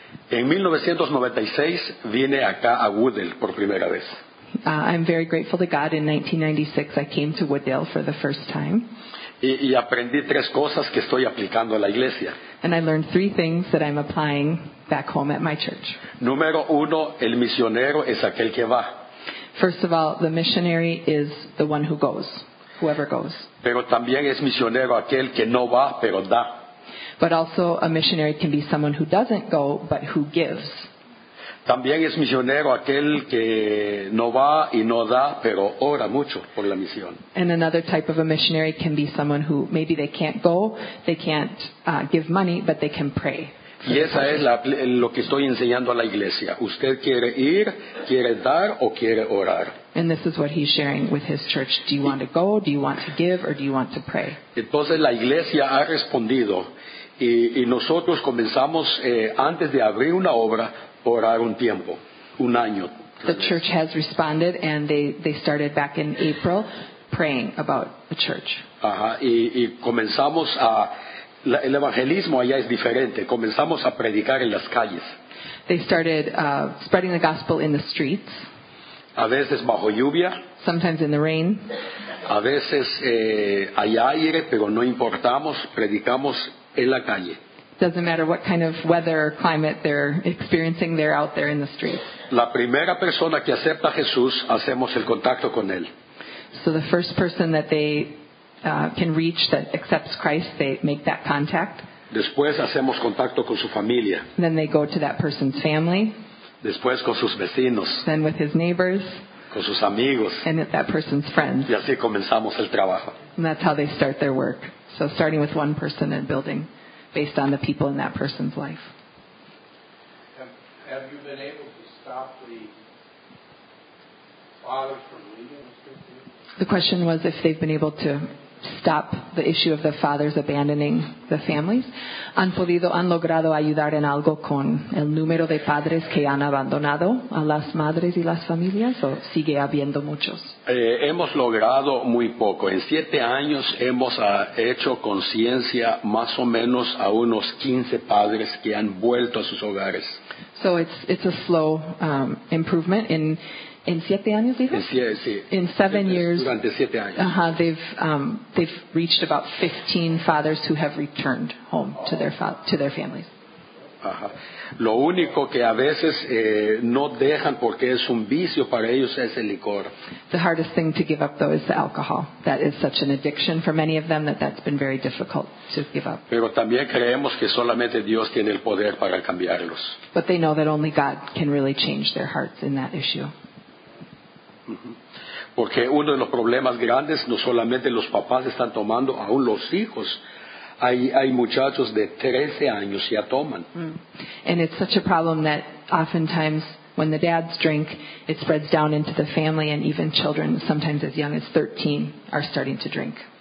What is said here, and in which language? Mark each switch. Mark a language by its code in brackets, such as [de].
[es] En 1996 vine acá a Woodell por primera vez. [en] I'm very grateful to God. In 1996 I came to Woodell for the first time. [es] Y aprendí tres cosas que estoy aplicando a la iglesia. [en] And I learned three things that I'm applying back home at my church. [es] Número uno, el misionero es aquel que va. [en] First of all, the missionary is the one who goes, whoever goes. [es] Pero también es misionero aquel que no va, pero da. [en] But also a missionary can be someone who doesn't go, but who gives. [es] También es misionero aquel que no va y no da, pero ora mucho por la misión. [en] And another type of a missionary can be someone who maybe they can't go, they can't give money, but they can pray. [es] Y esa es lo que estoy enseñando a la iglesia. ¿Usted quiere ir, quiere dar o quiere orar? [en] And this is what he's sharing with his church. Do you want to go, do you want to give, or do you want to pray? [es] Entonces la iglesia ha respondido y nosotros comenzamos antes de abrir una obra, orar un tiempo, un año. [en] The church has responded and they started back in April praying about the church. [es] Y comenzamos el evangelismo allá es diferente. Comenzamos a predicar en las calles. [en] They started spreading the gospel in the streets. [es] A veces bajo lluvia. [en] Sometimes in the rain. [es] A veces hay aire, pero no importamos, predicamos en la calle. [en] Doesn't matter what kind of weather or climate they're experiencing, they're out there in the streets. [es] La primera persona que acepta a Jesús, hacemos el contacto con él. [en] So the first person that they can reach that accepts Christ, they make that contact. [es] Después hacemos contacto con su familia. [en] Then they go to that person's family. [es] Después con sus vecinos. [en] Then with his neighbors. [es] Con sus amigos. [en] And that person's friends. [es] Y así comenzamos el trabajo. [en] And that's how they start their work. So starting with one person and building based on the people in that person's life. Have you been able to stop the fathers from leaving the streets? The question was if they've been able to stop the issue of the fathers abandoning the families. [es] ¿Han podido, han logrado ayudar en algo con el número de padres que han abandonado a las madres y las familias? ¿O sigue habiendo muchos? Hemos logrado muy poco. En 7 años hemos hecho conciencia más o menos a unos 15 padres que han vuelto a sus hogares. [en] So it's a slow improvement. In 7 [es] años, dijo? [en] In 7 years, [es] durante 7 años. [en] They've reached about 15 fathers who have returned home to their families. Okay. [es] Lo único que a veces no dejan porque es un vicio para ellos es el licor. [en] The hardest thing to give up though is the alcohol. That is such an addiction for many of them that that's been very difficult to give up. [es] Pero también creemos que solamente Dios tiene el poder para cambiarlos. [en] But they know that only God can really change their hearts in that issue. [es] Porque uno de los problemas grandes no solamente los papás están tomando, aún los hijos. Hay muchachos de 13 años ya toman. [en] And it's such a problem that oftentimes when the dads drink, it spreads down into the family, and even children, sometimes as young as 13, are starting to drink.